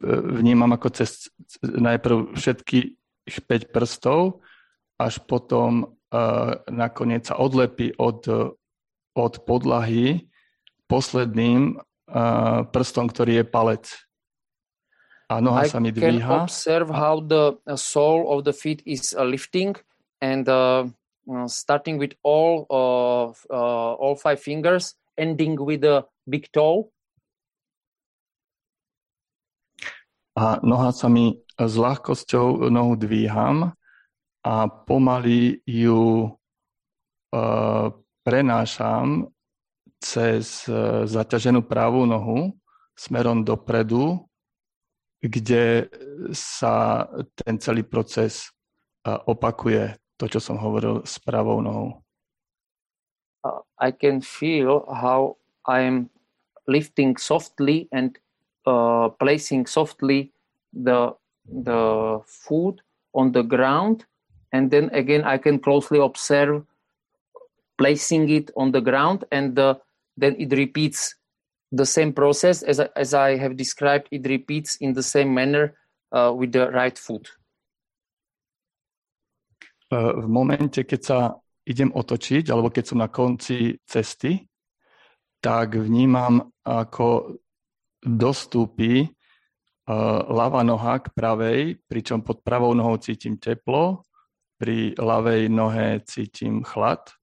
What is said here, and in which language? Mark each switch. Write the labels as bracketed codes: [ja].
[sk] Vnímam, ako cez najprv všetkých 5 prstov, až potom nakoniec sa odlepí od podlahy posledným prstom, ktorý je palec. A noha sa mi dvíha. [en] I can observe how the sole of the feet is lifting and starting with all 5 fingers, ending with the big toe. [sk] A noha sa mi s ľahkosťou nohu dvíham a pomaly ju prenášam cez zaťaženú pravú nohu smerom dopredu, kde sa ten celý proces opakuje. To, čo som hovoril s pravou nohou. [en] I can feel how I'm lifting softly and placing softly the foot on the ground, and then again I can closely observe placing it on the ground, and then it repeats the same process as I have described. It repeats in the same manner with the right foot. [sk] V momente, keď sa idem otočiť, alebo keď som na konci cesty, tak vnímam, ako dostúpi ľava noha k pravej, pričom pod pravou nohou cítim teplo, pri ľavej nohe cítim chlad.